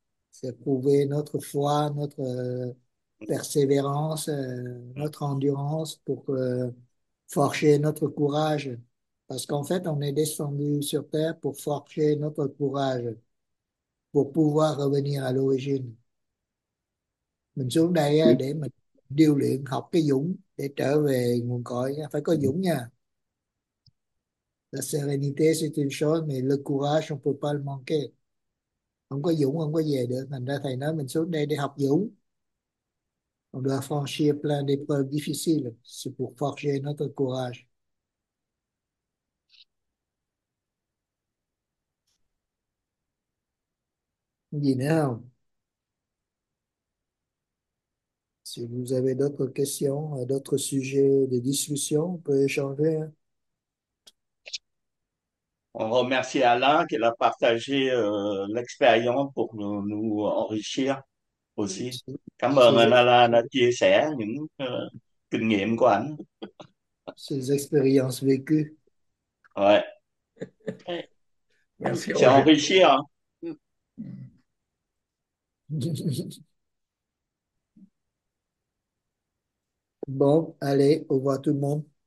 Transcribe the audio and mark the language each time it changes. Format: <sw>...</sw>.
<fr>C'est prouver notre foi, notre persévérance, notre endurance pour forger notre courage. Parce qu'en fait, on est descendu sur Terre pour forger notre courage, pour pouvoir revenir à l'origine.</fr> <vi>Mình xuống đây để mình điêu luyện, học cái dũng để trở về nguồn cội. Phải có dũng nha.</vi> <fr>La sérénité, c'est une chose, mais le courage, on ne peut pas le manquer.</fr> <vi>Không có dũng, không có về được. Thành ra thầy nói mình xuống đây để học dũng.</vi> <fr>On doit franchir plein d'épreuves difficiles. C'est pour forger notre courage.</fr> <vi>Gì nữa không?</vi> <fr>Si vous avez d'autres questions, d'autres sujets de discussion, on peut échanger. Hein? On remercie Alain qui a partagé l'expérience pour nous enrichir aussi.</fr> <vi>Cảm ơn anh Alain đã chia sẻ những kinh nghiệm của anh.</vi> <fr>Ces expériences vécues. Ouais. Merci, C'est enrichir. Bon, allez, au revoir tout le monde.</fr>